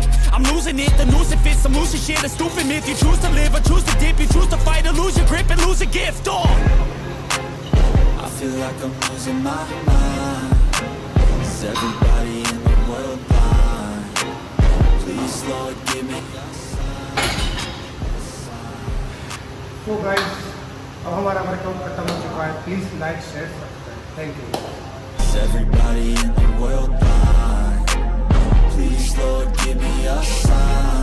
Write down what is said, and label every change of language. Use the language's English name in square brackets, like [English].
[English] I'm losing it, the noose it fits. Some loose shit, a stupid myth. You choose to live or choose to dip. You choose to fight or lose your grip and lose a gift. Oh. I feel like I'm losing my mind. Is everybody in the world blind? Please, Lord, give me a sign. So guys, [Hindi] अब हमारा workout खत्म हो चुका है। [English] Please like, share, subscribe. Thank you. Is everybody in the world blind? Please, Lord, give me a sign.